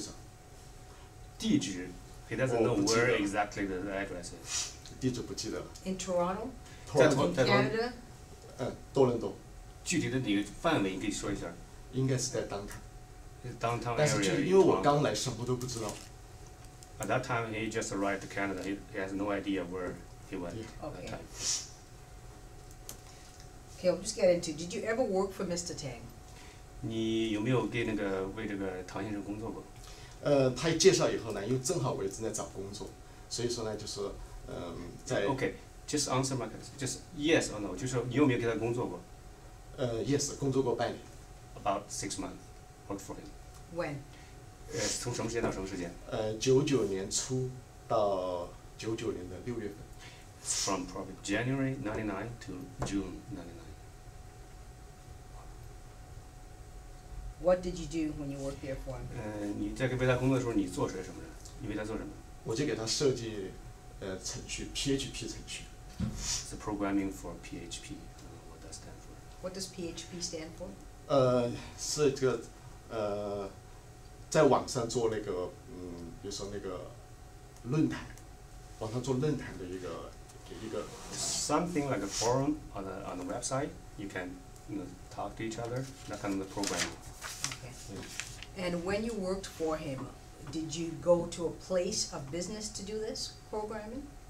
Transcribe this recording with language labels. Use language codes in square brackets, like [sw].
[zh] 哎呀，我都不记得了，就是四川同乡会的一个聚会上。地址 [en] ，He doesn't know where exactly the address is. [zh] 地址不记得了。 [en] In Toronto. [zh] 在多伦多。具体的哪个范围，你可以说一下。应该是在downtown。downtown [en] area. [zh] 但是就因为我刚来，什么都不知道。 [en] At that time, he just arrived to Canada. He has no idea where he went. Okay. Okay, I'll just get into. Did you ever work for Mr. Tang? [zh] 你有没有给那个为这个唐先生工作过？他一介绍以后呢，因为正好我也正在找工作，所以说呢，就是在。 [en] Okay, just answer my question. Just yes or no. [zh] 就是你有没有给他工作过？ [en] Yes, [zh] 工作过半年。 [en] About 6 months, worked for him. When? [zh] 从什么时间到什么时间？ 99年初到99年的6月份。 [en] From probably January 99 to June 99. What did you do when you worked there for him? [zh] 你在给为他工作的时候，你做些什么呢？你为他做什么？我就给他设计，程序 PHP 程序。 [en] The programming for PHP. What does that for? What does PHP stand for? [zh] 是这个，在网上做那个，比如说那个论坛，网上做论坛的一个。 [en] Something like a forum on the website. You can, you know, talk to each other. That kind of programming. And when you worked for him, did you go to a place of business to do this programming?